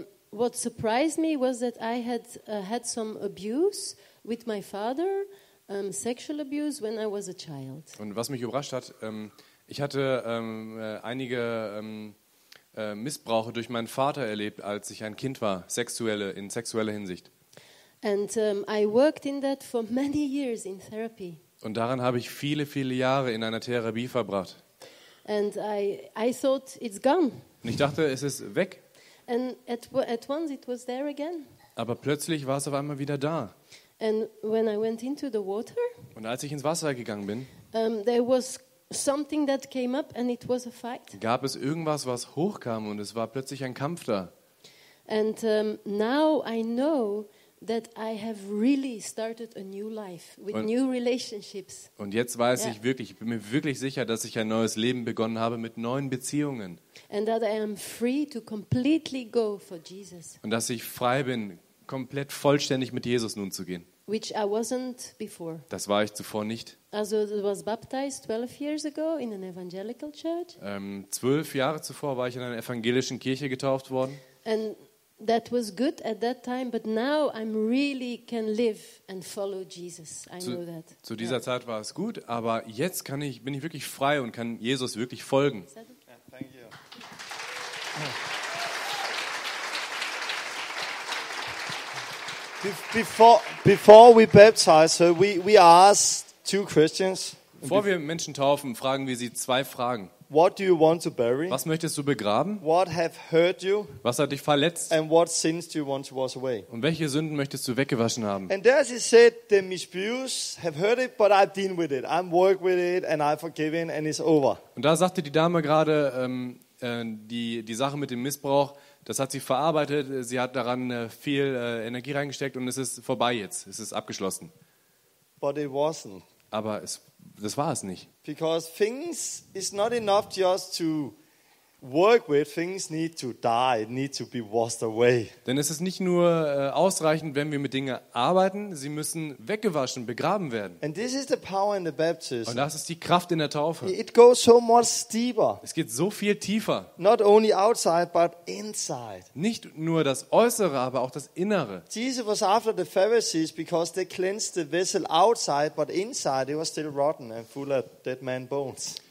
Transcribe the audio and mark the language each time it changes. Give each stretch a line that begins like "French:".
English: What surprised me was that I had had some abuse with my father, sexual abuse when I was a child.
German: Und was mich überrascht hat, ich hatte einige Missbrauche durch meinen Vater erlebt, als ich ein Kind war, in sexueller Hinsicht.
English: And I worked in that for many years in therapy.
German: Und daran habe ich viele, viele Jahre in einer Therapie verbracht.
English: And I thought it's gone.
German: Und ich dachte, es ist weg.
English: And at once it was there again.
German: Aber plötzlich war es auf einmal wieder da.
English: And when I went into the water,
German: und als ich ins Wasser gegangen bin,
English: there was something that came up and it was a fight.
German: Gab es irgendwas, was hochkam und es war plötzlich ein Kampf da.
English: And now I know that I have really started a new life with new relationships.
German: Und jetzt weiß ich wirklich, ich bin mir wirklich sicher, dass ich ein neues Leben begonnen habe mit neuen Beziehungen.
English: And that I am free to completely go for Jesus.
German: Und dass ich frei bin, komplett vollständig mit Jesus nun zu gehen.
English: Which I wasn't before.
German: Das war ich zuvor nicht.
English: Also I was baptized 12 years ago in an evangelical church.
German: 12 Jahre zuvor war ich in einer evangelischen Kirche getauft worden.
English: And that was good at that time, but now I'm really can live and follow Jesus. I know that.
German: Zu dieser Zeit war es gut, aber jetzt bin ich wirklich frei und kann Jesus wirklich folgen.
English: Thank you. Before we baptize her, we asked two questions.
German: Bevor wir Menschen taufen, fragen wir sie zwei Fragen.
English: What do you want to bury?
German: Was möchtest du begraben?
English: What have hurt you?
German: Was hat dich verletzt?
English: And what sins do you want to wash away?
German: Und welche Sünden möchtest du weggewaschen haben?
English: And there she said, the misuse have hurt it, but I've dealt with it. I'm work with it and I've forgiven and it's over.
German: Und da sagte die Dame gerade, die Sache mit dem Missbrauch, das hat sie verarbeitet, sie hat daran viel Energie reingesteckt und es ist vorbei jetzt, es ist abgeschlossen.
English: But it wasn't.
German: Aber das war es nicht.
English: Because things is not enough just to work with, things need to die, need to be washed away.
German: Denn es ist nicht nur ausreichend, wenn wir mit Dingen arbeiten, sie müssen weggewaschen, begraben werden.
English: And this is the power in the baptism.
German: Und das ist die Kraft in der Taufe.
English: It goes so much deeper.
German: Es geht so viel tiefer.
English: Not only outside, but inside.
German: Nicht nur das Äußere, aber auch das Innere.
English: Jesus was after the Pharisees because they cleansed the vessel outside, but inside it was still rotten and full of dead man bones.